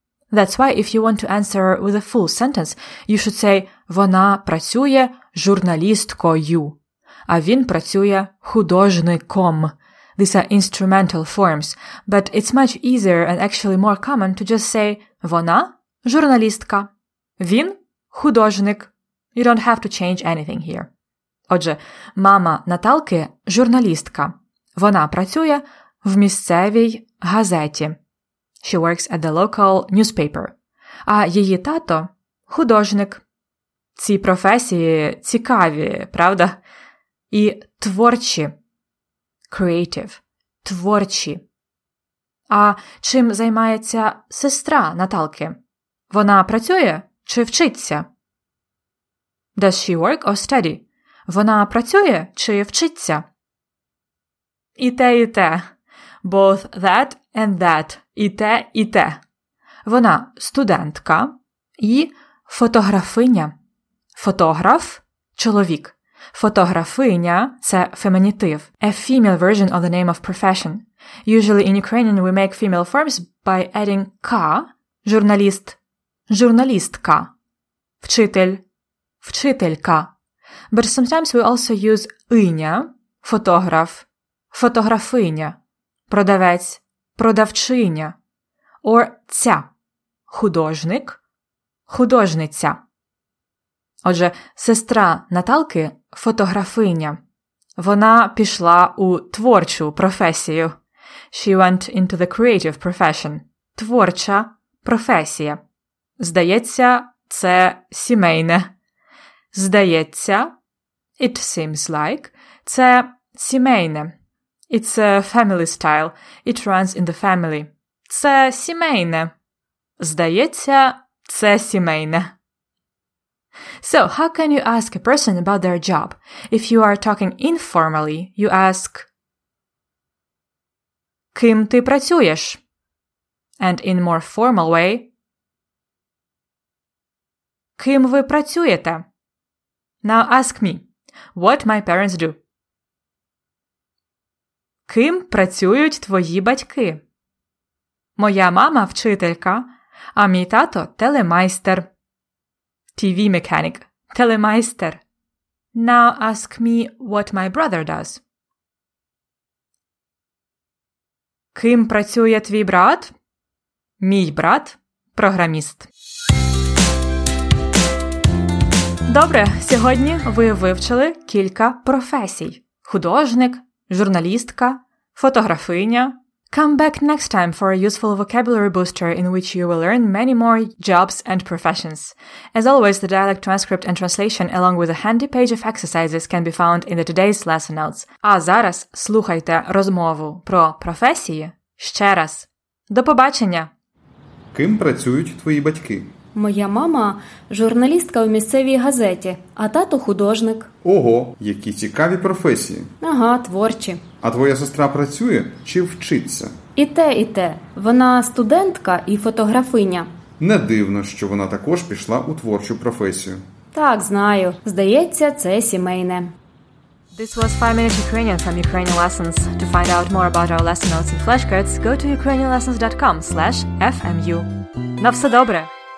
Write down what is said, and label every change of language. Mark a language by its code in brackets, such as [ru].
[en] That's why if you want to answer with a full sentence, you should say [uk] «Вона працює журналісткою», а він працює художником. [en] These are instrumental forms, but it's much easier and actually more common to just say [uk] «Вона журналістка», «Він художник». [en] You don't have to change anything here. [uk] Отже, мама Наталки – журналістка. Вона працює в місцевій газеті. [en] She works at the local newspaper. [uk] А її тато – художник. Ці професії цікаві, правда? І творчі. Creative. Творчі. А чим займається сестра Наталки? Вона працює чи вчиться? [en] Does she work or study? [uk] Вона працює чи вчиться? І те. [en] Both that and that. [uk] І те. Вона студентка і фотографиня. Фотограф – чоловік. Фотографиня – це фемінітив. [en] A female version of the name of profession. Usually in Ukrainian we make female forms by adding ка – журналіст. [uk] Журналістка. Вчитель. Вчителька. [en] But sometimes we also use іня – фотограф. [uk] Фотографиня. Продавець, продавчиня, or ця, художник, художниця. Отже, сестра Наталки – фотографиня. Вона пішла у творчу професію. [en] She went into the creative profession. [uk] Творча професія. Здається, це сімейне. Здається, [en] it seems like, [uk] це сімейне. [en] It's a family style. It runs in the family. [uk] Це сімейне. Здається, це сімейне. [en] So, how can you ask a person about their job? If you are talking informally, you ask [uk] ким ти працюєш? [en] And in more formal way [uk] ким ви працюєте? [en] Now ask me, what my parents do? [uk] Ким працюють твої батьки? Моя мама – вчителька, А мій тато – телемайстер. [en] TV mechanic. [uk] Телемайстер. [en] Now ask me what my brother does. [uk] Ким працює твій брат? Мій брат – програміст. Добре, сьогодні ви вивчили кілька професій. Художник, журналістка, фотографиня. [en] Come back next time for a useful vocabulary booster in which you will learn many more jobs and professions. As always, the dialect transcript and translation along with a handy page of exercises can be found in the today's lesson notes. [uk] А зараз слухайте розмову про професії ще раз. До побачення! Ким працюють твої батьки? Моя мама – журналістка у місцевій газеті, а тато – художник. Ого, які цікаві професії. Ага, творчі. А твоя сестра працює чи вчиться? І те. Вона студентка і фотографиня. Не дивно, що вона також пішла у творчу професію. Так, знаю. Здається, це сімейне. [en] This was 5-Minute Ukrainian from Ukrainian Lessons. To find out more about our lesson notes and flashcards, go to ukrainianlessons.com/fmu. [uk] На все добре!